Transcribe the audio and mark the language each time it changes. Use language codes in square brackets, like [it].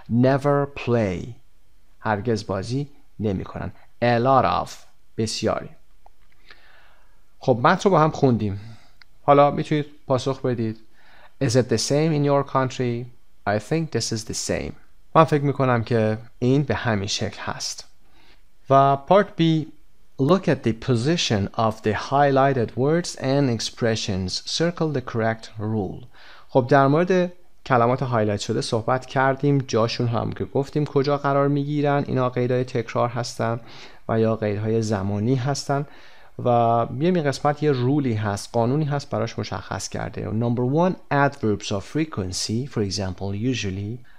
[en] Never play. [fa] هرگز بازی نمی کنن. [en] A lot of. [fa] بسیاری. خب متن رو با هم خوندیم. حالا میتونید پاسخ بدید. [en] Is it the same in your country? I think this is the same. [fa] من فکر میکنم که این به همین شکل هست. و part B. [en] Look at the position of the highlighted words and expressions. Circle the correct rule. [fa] خب در مورد کلمات هایلایت شده صحبت کردیم. جاشون هم که گفتیم کجا قرار میگیرن. اینا قیدهای تکرار هستن و یا قیدهای زمانی هستن. و یه می قسمت یه رولی هست، قانونی هست براش مشخص کرده. [en] Number one, adverbs of frequency, for example, usually.